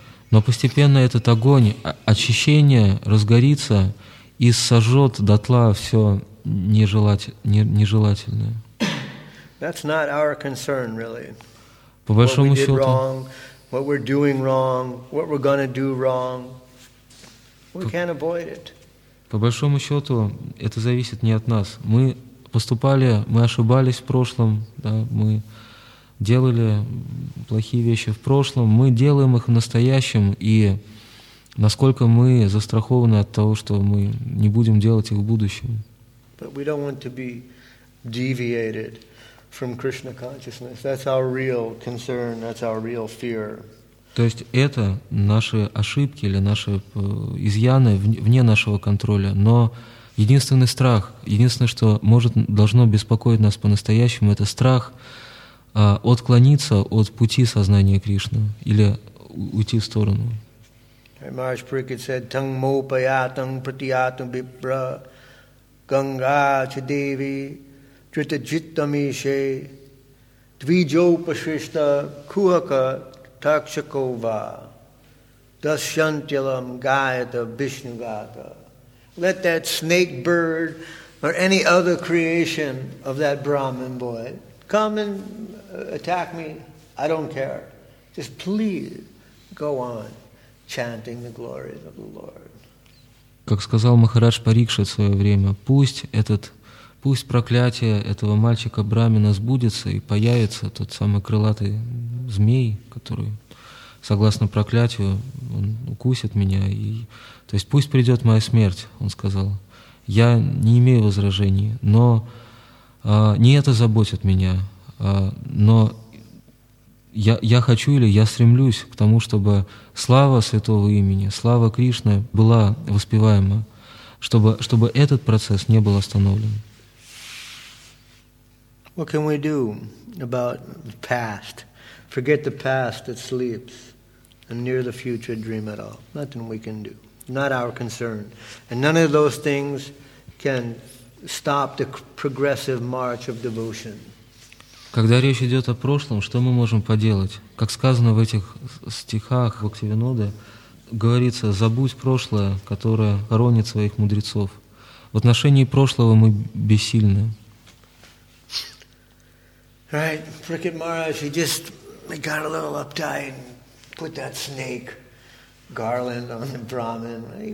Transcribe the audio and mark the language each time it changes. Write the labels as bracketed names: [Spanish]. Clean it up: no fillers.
[Russian] Но постепенно этот огонь очищения разгорится и сожжет дотла все нежелательное. [English] That's not our concern, really. [Russian] По большому счету. [English] What we did wrong, what we're doing wrong, what we're gonna do wrong, we can't avoid it. [Russian] По большому счету, это зависит не от нас. Мы поступали, мы ошибались в прошлом, да, мы делали плохие вещи в прошлом, мы делаем их в настоящем, и Насколько мы застрахованы от того, что мы не будем делать их в будущем. [English] But we don't want to be deviated from Krishna consciousness. That's our real concern, that's our real fear. [Russian] То есть это наши ошибки или наши изъяны вне нашего контроля. Но единственный страх, единственное, что может, должно беспокоить нас по-настоящему, это страх отклониться от пути сознания Кришны или уйти в сторону. [English] Maharaj Parikshit said, [Sanskrit] Tang mopayatang pratyatam vipra ganga cha devi trita jittam ishe dvijo pashrishta kuhaka takshakova dasyantyalam gayata vishnugata. [English] Let that snake bird or any other creation of that Brahmin boy come and attack me. I don't care. Just please go on chanting the glories of the Lord. [Russian] Как сказал Махарадж Парикшит в свое время, пусть проклятие этого мальчика Брамина сбудется и появится тот самый крылатый змей, который, согласно проклятию, он укусит меня. И, то есть пусть придет моя смерть, он сказал. Я не имею возражений, но не это заботит меня, но я хочу или я стремлюсь к тому, чтобы слава святого имени, слава Кришны была воспеваема, чтобы этот процесс не был остановлен. [English] What can we do about the past? Forget the past that sleeps and near the future dream at all. Nothing we can do. Not our concern. And none of those things can stop the progressive march of devotion. [Russian] Когда речь идет о прошлом, что мы можем поделать? Как сказано в этих стихах Бхактивиноды, говорится, забудь прошлое, которое хоронит своих мудрецов. В отношении прошлого мы бессильны. [English] Right, Prakrit Maharaj, he just got a little uptight and put that snake garland on the Brahmin.